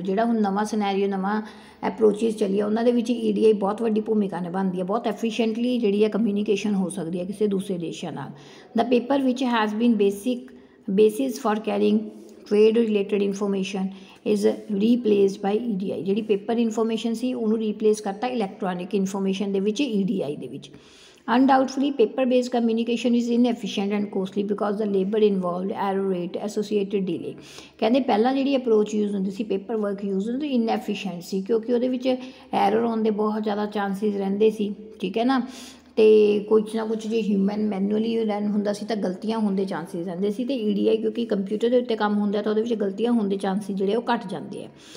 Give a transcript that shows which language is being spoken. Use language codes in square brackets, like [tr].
[pa] ਜਿਹੜਾ ਹੁਣ ਨਵਾਂ ਸਿਨੈਰੀਓ, ਨਵਾਂ ਐਪਰੋਚਿਸ ਚੱਲੀ ਆ, ਉਹਨਾਂ ਦੇ ਵਿੱਚ EDI ਬਹੁਤ ਵੱਡੀ ਭੂਮਿਕਾ ਨਿਭਾਉਂਦੀ ਹੈ। ਬਹੁਤ ਐਫੀਸ਼ੀਐਂਟਲੀ ਜਿਹੜੀ ਹੈ ਕਮਿਊਨੀਕੇਸ਼ਨ ਹੋ ਸਕਦੀ ਹੈ ਕਿਸੇ ਦੂਸਰੇ ਦੇਸ਼ਾਂ ਨਾਲ। [en] ਦਾ ਪੇਪਰ ਵਿੱਚ has been basis for carrying trade related information is replaced by EDI। [pa] ਜਿਹੜੀ ਪੇਪਰ ਇਨਫੋਰਮੇਸ਼ਨ ਸੀ ਉਹਨੂੰ ਰੀਪਲੇਸ ਕਰਤਾ ਇਲੈਕਟ੍ਰੋਨਿਕ ਇਨਫੋਰਮੇਸ਼ਨ ਦੇ ਵਿੱਚ EDI ਦੇ ਵਿੱਚ। [en] Undoubtedly, paper-based communication is inefficient and costly because the labor involved, error rate, associated delay. [pa] ਕਹਿੰਦੇ ਪਹਿਲਾਂ ਜਿਹੜੀ ਅਪਰੋਚ ਯੂਜ਼ ਹੁੰਦੀ ਸੀ, ਪੇਪਰ ਵਰਕ ਯੂਜ਼ ਹੁੰਦੀ, ਇਨਐਫੀਸ਼ੀਐਂਟ ਸੀ ਕਿਉਂਕਿ ਉਹਦੇ ਵਿੱਚ ਐਰਰ ਆਉਣ ਦੇ ਬਹੁਤ ਜ਼ਿਆਦਾ ਚਾਂਸਿਸ ਰਹਿੰਦੇ ਸੀ, ਠੀਕ ਹੈ ਨਾ। ਅਤੇ ਕੁਛ ਨਾ ਕੁਛ ਜੇ ਹਿਊਮਨ ਮੈਨੂਅਲੀ ਰਨ ਹੁੰਦਾ ਸੀ ਤਾਂ ਗਲਤੀਆਂ ਹੋਣ ਦੇ ਚਾਂਸਿਸ ਰਹਿੰਦੇ ਸੀ। ਅਤੇ EDI ਕਿਉਂਕਿ ਕੰਪਿਊਟਰ ਦੇ ਉੱਤੇ ਕੰਮ ਹੁੰਦਾ ਤਾਂ ਉਹਦੇ ਵਿੱਚ ਗਲਤੀਆਂ ਹੋਣ ਦੇ ਚਾਂਸਿਸ ਜਿਹੜੇ ਉਹ ਘੱਟ ਜਾਂਦੇ ਆ।